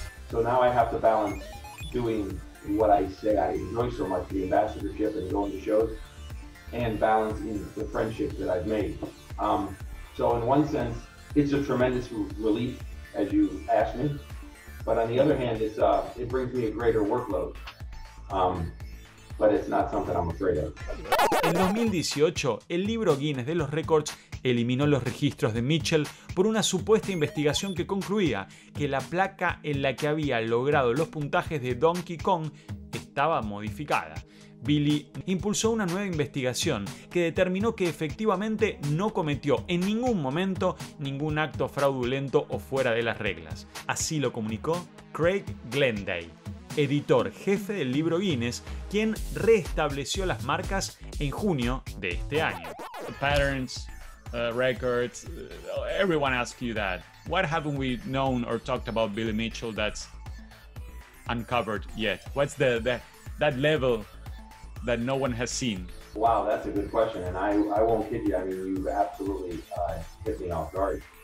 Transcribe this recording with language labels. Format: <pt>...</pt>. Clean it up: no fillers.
<en>So now I have to balance doing what I say I enjoy so much, the ambassadorship and going to shows, and balancing the friendship that I've made. So in one sense, it's a tremendous relief, as you asked me. But on the other hand, it brings me a greater workload. But it's not something I'm afraid of.</en> <es>En 2018, el libro Guinness de los Records eliminó los registros de Mitchell por una supuesta investigación que concluía que la placa en la que había logrado los puntajes de Donkey Kong estaba modificada. Billy impulsó una nueva investigación que determinó que efectivamente no cometió en ningún momento ningún acto fraudulento o fuera de las reglas. Así lo comunicó Craig Glenday, editor jefe del libro Guinness, quien restableció las marcas en junio de este año.</es> <en>Patterns, records, everyone asks you that. What haven't we known or talked about Billy Mitchell that's uncovered yet? What's that level that no one has seen? Wow, that's a good question, and I won't kid you. I mean, you absolutely hit me off guard.</en>